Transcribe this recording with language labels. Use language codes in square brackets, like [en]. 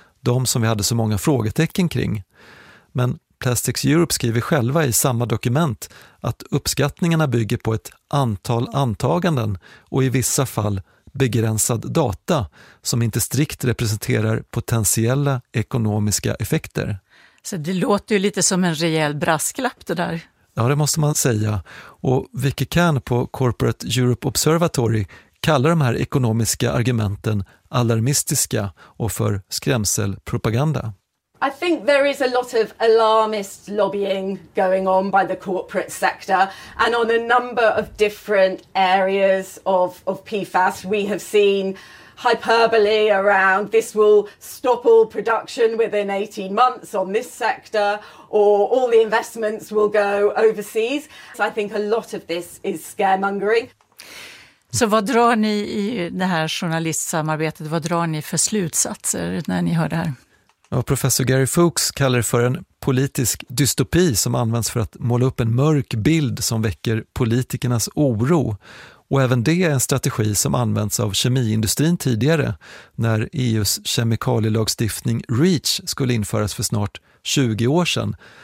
[sv] De som vi hade så många frågetecken kring. Men Plastics Europe skriver själva i samma dokument att uppskattningarna bygger på ett antal antaganden och i vissa fall begränsad data som inte strikt representerar potentiella ekonomiska effekter. Så det låter ju lite som en rejäl brasklapp det där. Ja, det måste man säga. Och Vicky Kahn på Corporate Europe Observatory kallar de här ekonomiska argumenten alarmistiska och för skrämselpropaganda. [en] I think there is a lot of alarmist lobbying going on by the corporate sector, and on a number of different areas of PFAS we have seen hyperbole around this will stop all production within 18 months on this sector, or all the investments will go overseas. So I think a lot of this is scaremongering. [sv] Så vad drar ni i det här journalistsamarbetet, vad drar ni för slutsatser när ni hör det här? Och professor Gary Fuchs kallar det för en politisk dystopi som används för att måla upp en mörk bild som väcker politikernas oro. Och även det är en strategi som använts av kemiindustrin tidigare när EUs kemikalielagstiftning REACH skulle införas för snart 20 år sedan.